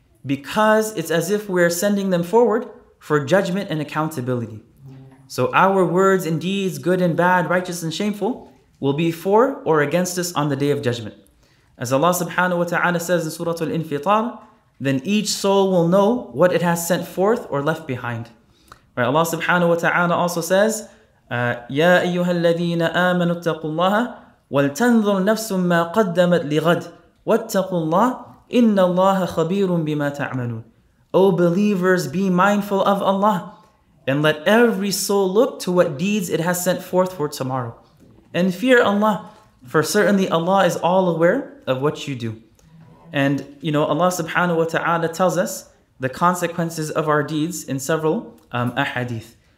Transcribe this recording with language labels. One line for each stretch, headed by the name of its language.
English: Because it's as if we're sending them forward for judgment and accountability. So our words and deeds, good and bad, righteous and shameful, will be for or against us on the Day of Judgment. As Allah subhanahu wa ta'ala says in Surah Al-Infitar, then each soul will know what it has sent forth or left behind. Right, Allah subhanahu wa ta'ala also says,
Arabic: يَا أَيُّهَا الَّذِينَ آمَنُوا اتَّقُوا اللَّهَ وَلْتَنْظُرْ نَفْسٌ مَّا قَدَّمَتْ لِغَدْ وَاتَّقُوا اللَّهَ إِنَّ اللَّهَ خَبِيرٌ بِمَا تَعْمَلُونَ.
English: O believers, be mindful of Allah, and let every soul look to what deeds it has sent forth for tomorrow. And fear Allah, for certainly Allah is all aware of what you do. And you know, Allah subhanahu wa ta'ala tells us the consequences of our deeds in several ahadith.